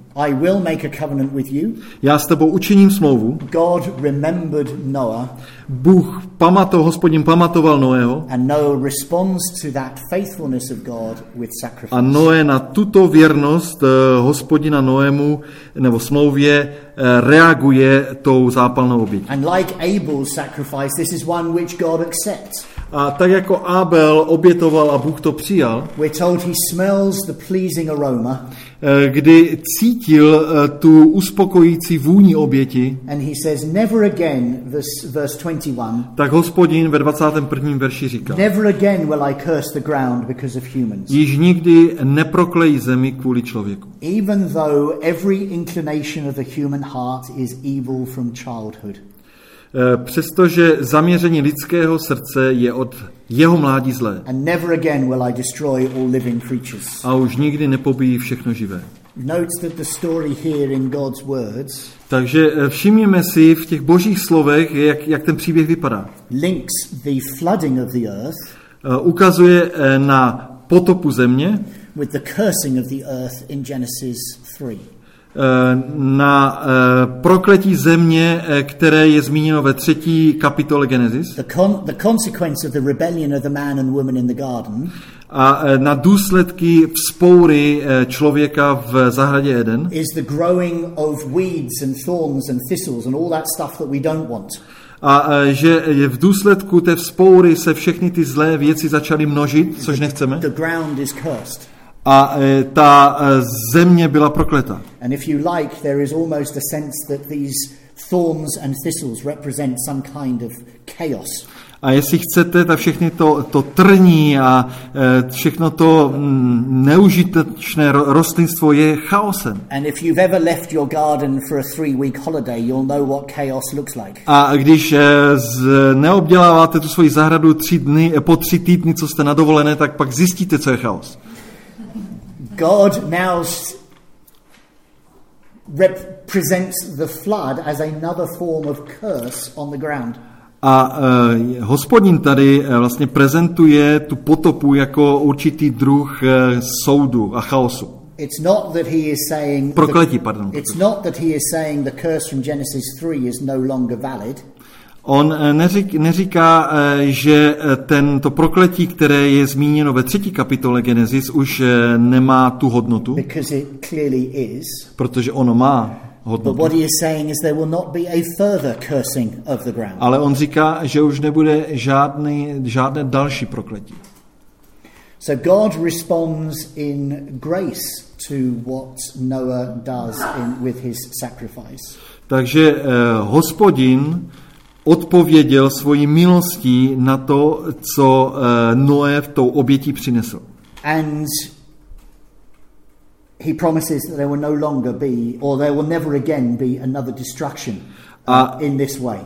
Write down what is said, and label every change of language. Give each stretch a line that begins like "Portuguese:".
English: I will make a covenant with you.
Czech: Já s tebou učiním smlouvu.
English: God remembered Noah.
Czech: Bůh Hospodin pamatoval Noého.
English: And Noah responds to that faithfulness of God with sacrifice.
Czech: A Noé na tuto věrnost Hospodina Noému nebo smlouvě reaguje tou zápalnou obětí.
English: And like Abel's sacrifice, this is one which God accepts.
Czech: A tak jako Abel obětoval a Bůh to přijal.
English: We're told he smells the pleasing aroma.
Czech: Kdy cítil tu uspokojící vůni oběti.
English: And he says never again, verse 21.
Czech: Tak Hospodin ve 21. verši říká.
English: Never again will I curse the ground because of humans.
Czech: Již nikdy neproklejí zemi kvůli člověku.
English: Even though every inclination of the human heart is evil from childhood.
Czech: Přestože zaměření lidského srdce je od jeho mládí zlé.
English: And never again will I destroy all living creatures.
Czech: A už nikdy nepobíjí všechno živé.
English: Note that the story here in God's words.
Czech: Takže všimněme si v těch Božích slovech, jak ten příběh vypadá.
English: Links the flooding of the earth.
Czech: Ukazuje na potopu země.
English: With the cursing of the earth in Genesis 3.
Czech: Na prokletí země, které je zmíněno ve 3. kapitole Genesis.
English: The consequence of the rebellion of the man and woman in the garden.
Czech: A na důsledky vzpoury člověka v zahradě Eden.
English: Is the growing of weeds and thorns and thistles and all that stuff that we don't want.
Czech: A že je v důsledku té vzpoury se všechny ty zlé věci začaly množit, což nechceme.
English: The ground is cursed.
Czech: A ta země byla prokleta.
English: And if you like, there is almost a sense that these thorns and thistles represent some kind of chaos.
Czech: A jestli chcete, ta všechny to trní a všechno to neužitečné rostlinstvo je chaosem.
English: And if you've ever left your garden for a 3-week holiday, you'll know what chaos looks like.
Czech: A když neobděláváte tu svoji zahradu 3 dny, po 3 týdny, co jste na dovolené, tak pak zjistíte, co je chaos.
English: God now represents the flood as another form of curse on the ground.
Czech: A Hospodin tady vlastně prezentuje tu potopu jako určitý druh soudu a chaosu.
English: It's not that he is saying
Czech: prokletí, pardon.
English: It's not that he is saying the curse from Genesis 3 is no longer valid.
Czech: On neříká, že tento prokletí, které je zmíněno ve třetí kapitole Genesis, už nemá tu hodnotu.
English: Because it clearly is.
Czech: Protože ono má hodnotu.
English: But what he is saying is there will not be a further cursing of the ground.
Czech: Ale on říká, že už nebude žádné další prokletí.
English: So God responds in grace to what Noah does with his sacrifice.
Czech: Takže Hospodin odpověděl svojí milostí na to, co Noé v tou obětí přinesl.
English: And he promises that there will no longer be, or there will never again be another destruction in this way.